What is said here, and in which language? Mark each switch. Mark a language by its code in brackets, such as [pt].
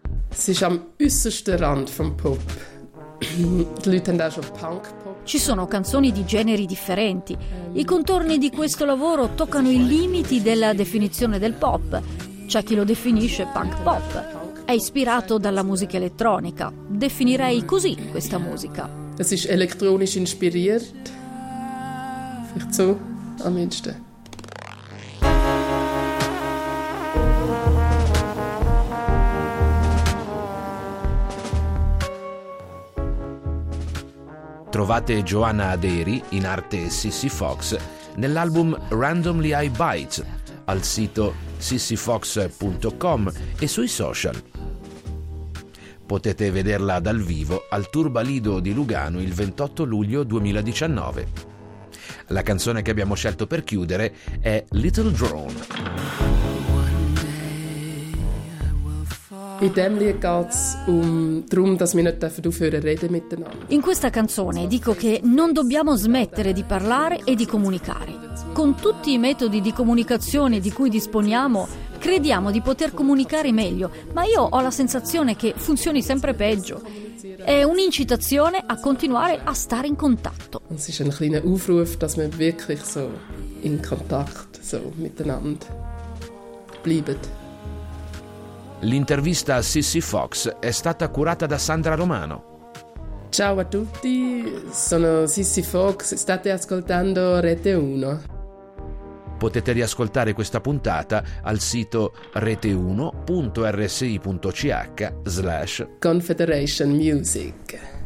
[de] Si è all'ussesto rand vom Pop. Die Leute haben da schon Punk. [it] Ci sono canzoni di generi differenti. I contorni di questo lavoro toccano i limiti della definizione del pop. C'è chi lo definisce punk pop. È ispirato dalla musica elettronica. Definirei così questa musica. [de] Es ist elektronisch inspiriert. Vielleicht so am meisten. [it] trovate Joanna Aderi, in arte Sissy Fox, nell'album Randomly I Bite, al sito sissyfox.com e sui social. Potete vederla dal vivo al Turbalido di Lugano il 28 luglio 2019. La canzone che abbiamo scelto per chiudere è Little Drone. [de] In dem Lied geht's darum, dass wir nicht aufhören reden miteinander. [it] In questa canzone dico che non dobbiamo smettere di parlare e di comunicare. Con tutti i metodi di comunicazione di cui disponiamo, crediamo di poter comunicare meglio, ma io ho la sensazione che funzioni sempre peggio. È un'incitazione a continuare a stare in contatto. [de] Es ist ein kleiner Aufruf, dass wir wirklich so in Kontakt so miteinander bleiben. [it] L'intervista a Sissy Fox è stata curata da Sandra Romano. Ciao a tutti, sono Sissy Fox, state ascoltando Rete 1. Potete riascoltare questa puntata al sito rete1.rsi.ch/confederationmusic.